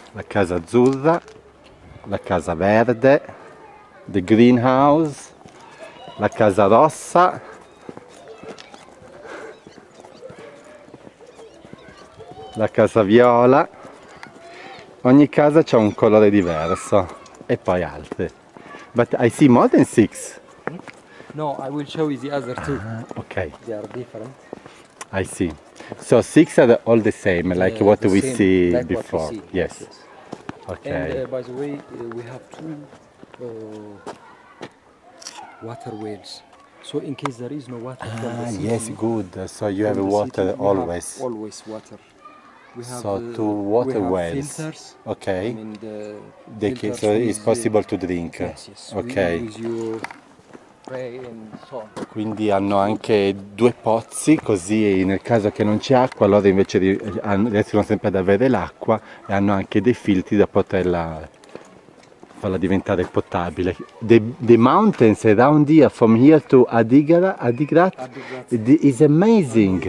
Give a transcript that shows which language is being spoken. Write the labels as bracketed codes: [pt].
[it] La casa azzurra, la casa verde, [en] the greenhouse, [it] la casa rossa. La casa viola. Ogni casa c'ha un colore diverso e poi altre. [en] But I see more than six. No, I will show you the other two. Okay. They are different. I see. So six are all the same, like what we see before. Yes. Okay. And by the way, we have two water wells. So in case there is no water. Ah, yes, good. So you have water always. Always water. So two water wells. Filters. Okay. So it's possible to drink. Yes, yes. Okay. With you pray and so on. [it] Quindi hanno anche due pozzi, così nel caso che non c'è acqua, allora invece riescono sempre ad avere l'acqua e hanno anche dei filtri da poterla farla diventare potabile. [en] The mountains around here, from here to Adigrat, is amazing.